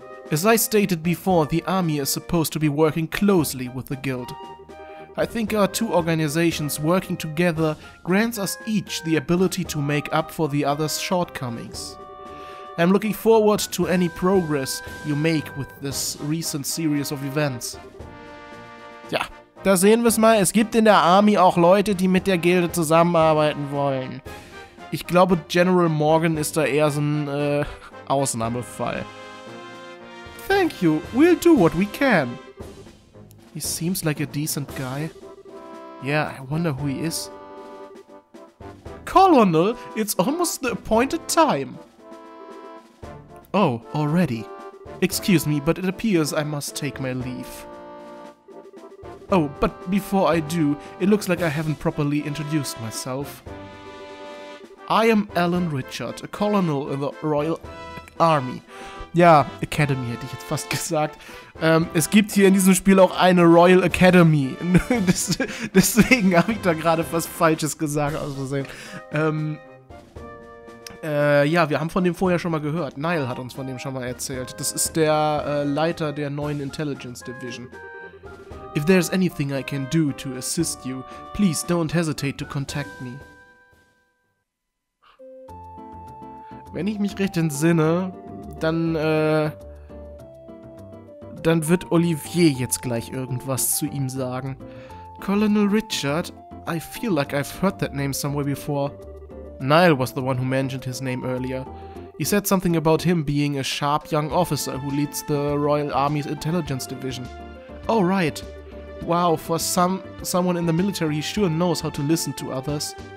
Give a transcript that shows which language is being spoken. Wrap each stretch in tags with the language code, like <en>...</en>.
<en>As I stated before, the army is supposed to be working closely with the guild. I think our two organizations working together grants us each the ability to make up for the other's shortcomings. I'm looking forward to any progress you make with this recent series of events.</en> <de>Ja, da sehen wir's mal. Es gibt in der Army auch Leute, die mit der Gilde zusammenarbeiten wollen. Ich glaube, General Morgan ist da eher so ein Ausnahmefall.</de> <en>Thank you. We'll do what we can. He seems like a decent guy. Yeah, I wonder who he is. Colonel, it's almost the appointed time. Oh, already. Excuse me, but it appears I must take my leave. Oh, but before I do, it looks like I haven't properly introduced myself. I am Alan Richard, a colonel in the Royal Army.</en> <de>Ja, Academy hätte ich jetzt fast gesagt. Es gibt hier in diesem Spiel auch eine Royal Academy. Deswegen habe ich da gerade was Falsches gesagt aus Versehen. Ja, wir haben von dem vorher schon mal gehört. Niall hat uns von dem schon mal erzählt. Das ist der Leiter der neuen Intelligence Division.</de> <en>If there's anything I can do to assist you, please don't hesitate to contact me.</en> <de>Wenn ich mich recht entsinne, dann, dann wird Olivier jetzt gleich irgendwas zu ihm sagen.</de> <en>Colonel Richard, I feel like I've heard that name somewhere before. Niall was the one who mentioned his name earlier. He said something about him being a sharp young officer who leads the Royal Army's Intelligence Division. Oh, right. Wow, for someone in the military, he sure knows how to listen to others.</en>